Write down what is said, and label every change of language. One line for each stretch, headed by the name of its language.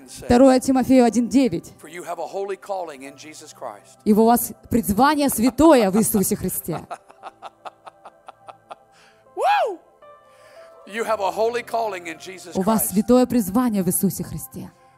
Russian: 2 Тимофею 1:9. Ибо у вас призвание святое в Иисусе Христе.
English: You have a holy calling in Jesus Christ.
Russian: У вас святое призвание в Иисусе Христе.